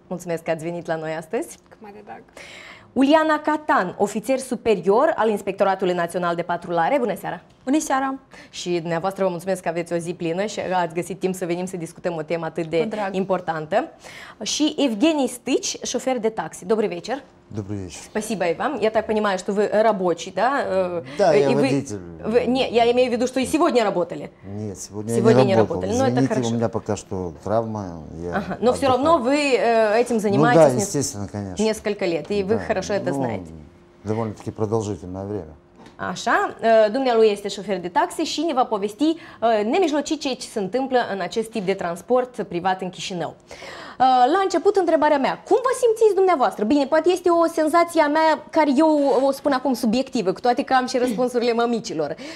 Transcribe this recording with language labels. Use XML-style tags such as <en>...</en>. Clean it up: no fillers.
<ro>Mulțumesc că ați venit la noi astăzi! Cu mare drag! Uliana Catan, ofițer superior al Inspectoratului Național de Patrulare. Bună seara! Bună seara! Și dumneavoastră vă mulțumesc că aveți o zi plină și ați găsit timp să venim să discutăm o temă atât de importantă. Și Evgeni Stici, șofer de taxi.</ro> <ru>Добрый вечер! Добрый вечер! Спасибо и вам. Я так понимаю, что вы рабочий, да? Да, и я водитель. Нет, я имею в виду, что и сегодня работали. Нет, сегодня я не работал. Но извините, это хорошо. У меня пока что травма. Я Но все равно вы этим занимаетесь естественно, конечно. Несколько лет, и вы хорошо это знаете. Довольно-таки продолжительное время.</ru> <ro>Așa, dumnealui este șofer de taxi și ne va povesti nemijlocit ce se întâmplă în acest tip de transport privat în Chișinău. La început, întrebarea mea, cum vă simțiți dumneavoastră? Bine, poate este o senzație a mea care eu o spun acum subiectivă, cu toate că am și răspunsurile mămicilor.</ro>